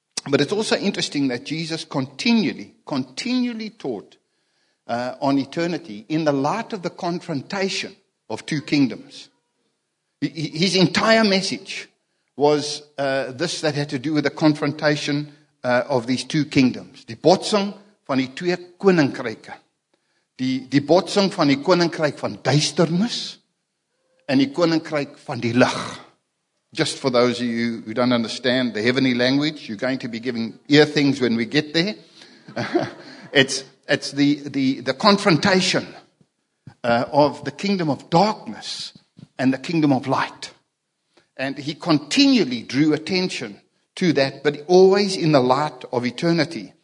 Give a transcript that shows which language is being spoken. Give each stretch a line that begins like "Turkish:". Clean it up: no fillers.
English: But it's also interesting that Jesus continually taught on eternity in the light of the confrontation of two kingdoms. His entire message was this that had to do with the confrontation of these two kingdoms.
Afrikaans: Die botsing van die twee koninkryke. Die botsing van die koninkryk van duisternis en die koninkryk van die lig.
English: Just for those of you who don't understand the heavenly language, you're going to be giving ear things when we get there. it's the confrontation of the kingdom of darkness and the kingdom of light. And he continually drew attention to that, but always in the light of eternity.